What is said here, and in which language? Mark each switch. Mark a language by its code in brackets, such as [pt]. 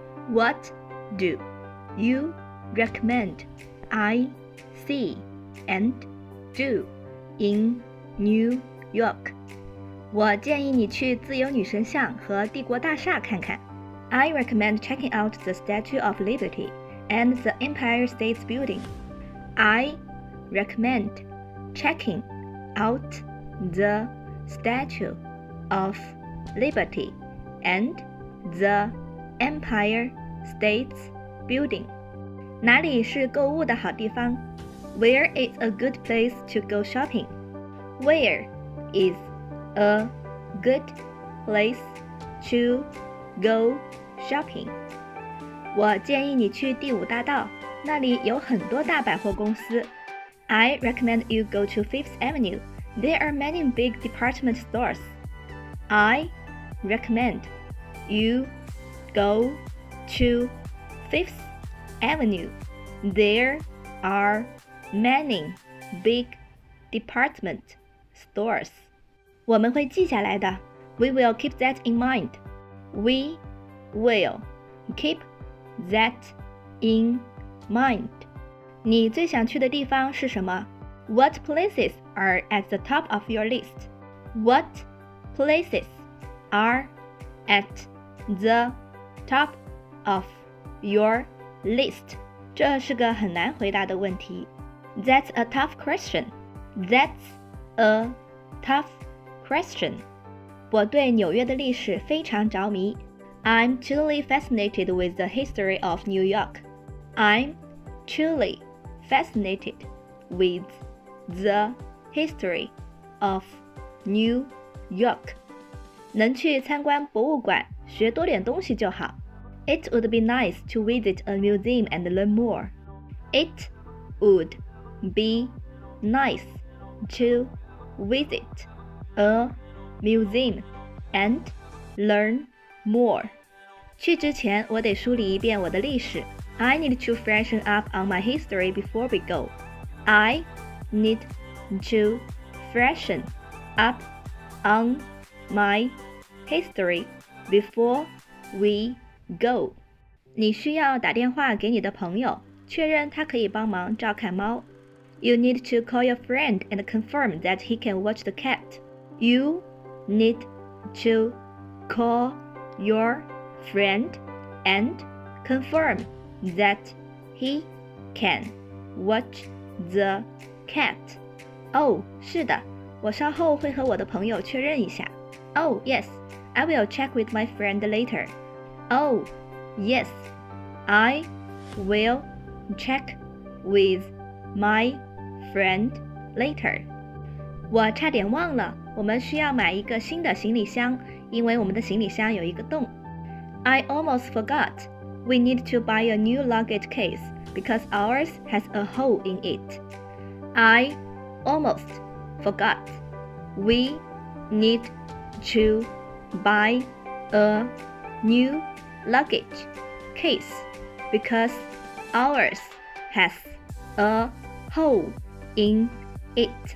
[en] What do you recommend I see and do in New York? [zh] 我建议你去自由女神像和帝国大厦看看。 [en] I recommend checking out the Statue of Liberty and the Empire State Building. I recommend checking out the Statue of Liberty and the Empire State Building. [zh] 哪里是购物的好地方？ [en] Where is a good place to go shopping? Where is a good place to go shopping. [zh] 我建议你去第五大道，那里有很多大百货公司。 [en] I recommend you go to Fifth Avenue. There are many big department stores. I recommend you go to Fifth Avenue. There are many big department stores. [zh] 我们会记下来的。 [en] We will keep that in mind. We will keep that in mind. [zh] 你最想去的地方是什么？ [en] What places are at the top of your list? What places are at the top of your list? [zh] 这是个很难回答的问题。 [en] That's a tough question. That's a tough question. Question. [zh] 我对纽约的历史非常着迷。 [en] I'm truly fascinated with the history of New York. I'm truly fascinated with the history of New York. [zh] 能去参观博物馆，学多点东西就好。 [en] It would be nice to visit a museum and learn more. It would be nice to visit. A museum and learn more. [zh] 去之前我得梳理一遍我的历史。 [en] I need to freshen up on my history before we go. I need to freshen up on my history before we go. [zh] 你需要打电话给你的朋友，确认他可以帮忙照看猫。 [en] You need to call your friend and confirm that he can watch the cat. You need to call your friend and confirm that he can watch the cat. [zh] Oh, 是的，我稍后会和我的朋友确认一下。 [en] Oh, yes, I will check with my friend later. Oh, yes, I will check with my friend later. [zh] 我差点忘了。我们需要买一个新的行李箱，因为我们的行李箱有一个洞。 [en] I almost forgot. We need to buy a new luggage case because ours has a hole in it. I almost forgot. We need to buy a new luggage case because ours has a hole in it.